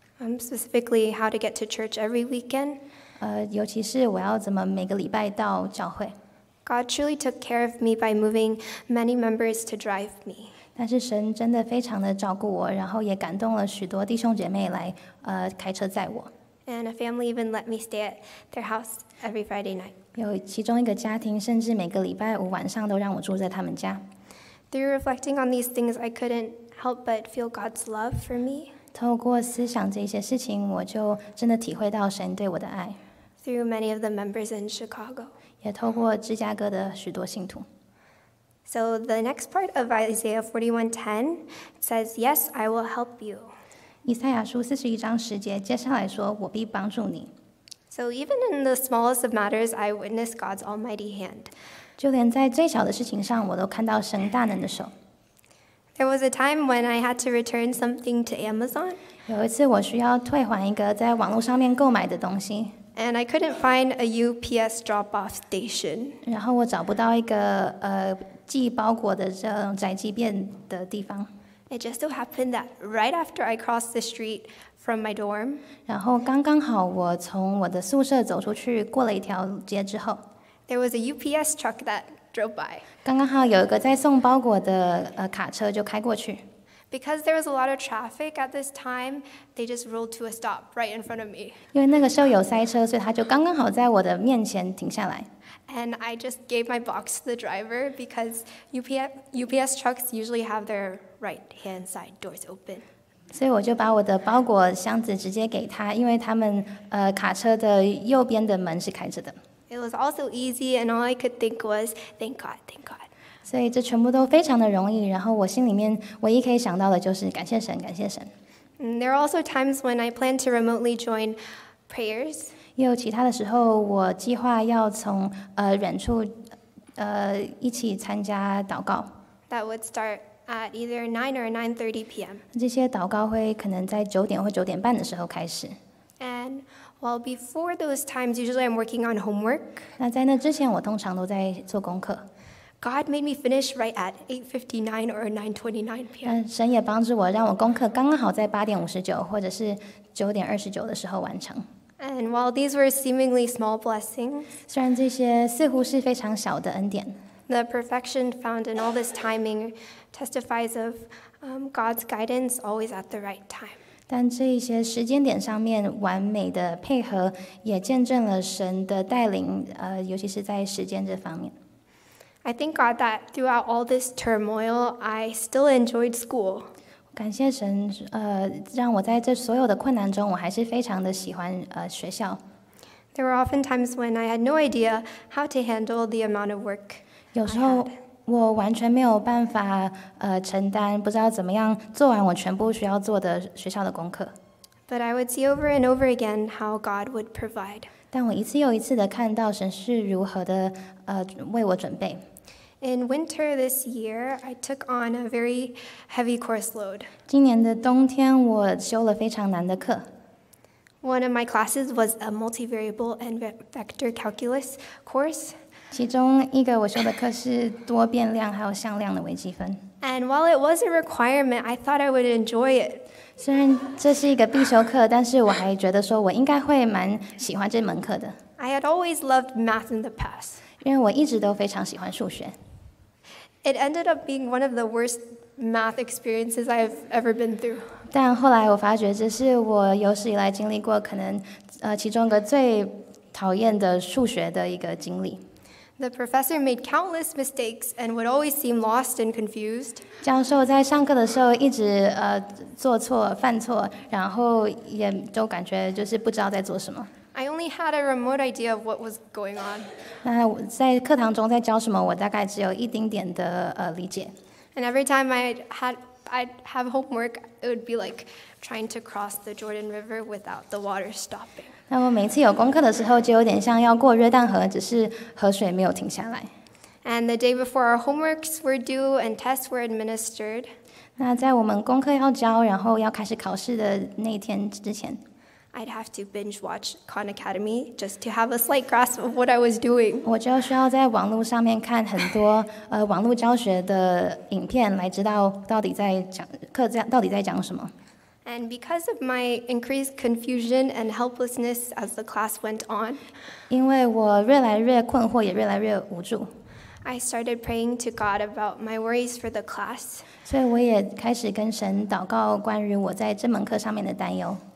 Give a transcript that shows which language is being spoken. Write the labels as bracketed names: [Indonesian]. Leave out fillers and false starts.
[English] Specifically, how to get to church every weekend. [Chinese] 尤其是我要怎么每个礼拜到教会。 [English] God truly took care of me by moving many members to drive me. [Chinese] 但是神真的非常的照顾我，然后也感动了许多弟兄姐妹来开车载我。 [English] And a family even let me stay at their house every Friday night. [Chinese] 有其中一个家庭甚至每个礼拜五晚上都让我住在他们家。 [English] Through reflecting on these things, I couldn't help but feel God's love for me. [Chinese] 透过思想这些事情，我就真的体会到神对我的爱。 [English] Through many of the members in Chicago. [Chinese] 也透过芝加哥的许多信徒。 [English] So the next part of Isaiah 41:10 says, "Yes, I will help you." [Chinese] 以赛亚书四十一章十节接下来说，我必帮助你。 [English] So even in the smallest of matters, I witness God's almighty hand. [Chinese] 就连在最小的事情上，我都看到神大能的手。 [English] There was a time when I had to return something to Amazon. [Chinese] 有一次我需要退还一个在网络上面购买的东西。 [English] And I couldn't find a UPS drop-off station. [Chinese] 然后我找不到一个寄包裹的这种宅急便的地方。 [English] It just so happened that right after I crossed the street from my dorm. [Chinese] 然后刚刚好我从我的宿舍走出去过了一条街之后。 [English] There was a UPS truck that. Drove by. [Chinese] 刚刚好有一个在送包裹的卡车就开过去。 [English] Because there was a lot of traffic at this time, they just rolled to a stop right in front of me. [Chinese] 因为那个时候有塞车，所以他就刚刚好在我的面前停下来。 [English] And I just gave my box to the driver because UPS trucks usually have their right hand side doors open. [Chinese] 所以我就把我的包裹箱子直接给他，因为他们卡车的右边的门是开着的。 [English] It was also easy, and all I could think was, "Thank God, thank God." [Chinese] 所以这全部都非常的容易。然后我心里面唯一可以想到的就是感谢神，感谢神。 [English] There are also times when I plan to remotely join prayers. [Chinese] 也有其他的时候，我计划要从远处一起参加祷告。 [English] That would start at either 9 or 9:30 p.m. [Chinese] 这些祷告会可能在九点或九点半的时候开始。 [English] And well, before those times, usually I'm working on homework. [Chinese] 那在那之前，我通常都在做功课。 [English] God made me finish right at 8:59 or 9:29 p.m. [Chinese] 神也帮助我，让我功课刚刚好在8:59或者是9:29的时候完成。 [English] And while these were seemingly small blessings, [Chinese] 虽然这些似乎是非常小的恩典 [English] ，the perfection found in all this timing testifies of God's guidance always at the right time. [Chinese] 但这一些时间点上面完美的配合，也见证了神的带领，尤其是在时间这方面。 [English] I thank God that throughout all this turmoil, I still enjoyed school. [Chinese] 感谢神，让我在这所有的困难中，我还是非常的喜欢学校。 [English] There were often times when I had no idea how to handle the amount of work. [Chinese] 有时候。我完全没有办法承担，不知道怎么样做完我全部需要做的学校的功课。 [English] But I would see over and over again how God would provide. [Chinese] 但我一次又一次的看到神是如何的为我准备。 [English] In winter this year, I took on a very heavy course load. [Chinese] 今年的冬天我修了非常难的课。 [English] One of my classes was a multivariable and vector calculus course. [Chinese] 其中一个我修的课是多变量还有向量的微积分。 [English] And while it was a requirement, I thought I would enjoy it. [Chinese] 虽然这是一个必修课，但是我还觉得说我应该会蛮喜欢这门课的。 [English] I had always loved math in the past. [Chinese] 因为我一直都非常喜欢数学。 [English] It ended up being one of the worst math experiences I've ever been through. [Chinese] 但后来我发觉这是我有史以来经历过可能其中一个最讨厌的数学的一个经历。 [English] The professor made countless mistakes and would always seem lost and confused. [Chinese] 讲授在上课的时候一直做错犯错，然后也都感觉就是不知道在做什么。 [English] I only had a remote idea of what was going on. [Chinese] 那在课堂中在教什么，我大概只有一丁点的理解。 [English] And every time I'd have homework, it would be like trying to cross the Jordan River without the water stopping. [Chinese] 那我每次有功课的时候，就有点像要过约旦河，只是河水没有停下来。 [English] And the day before our homeworks were due and tests were administered. [Chinese] 那在我们功课要交，然后要开始考试的那天之前。 [English] I'd have to binge watch Khan Academy just to have a slight grasp of what I was doing. [Chinese] 我就需要在网络上面看很多网络教学的影片，来知道到底在讲课这样到底在讲什么。 [English] And because of my increased confusion and helplessness as the class went on, [Chinese] 因为我越来越困惑，也越来越无助。 [English] I started praying to God about my worries for the class. [Chinese] 所以我也开始跟神祷告关于我在这门课上面的担忧。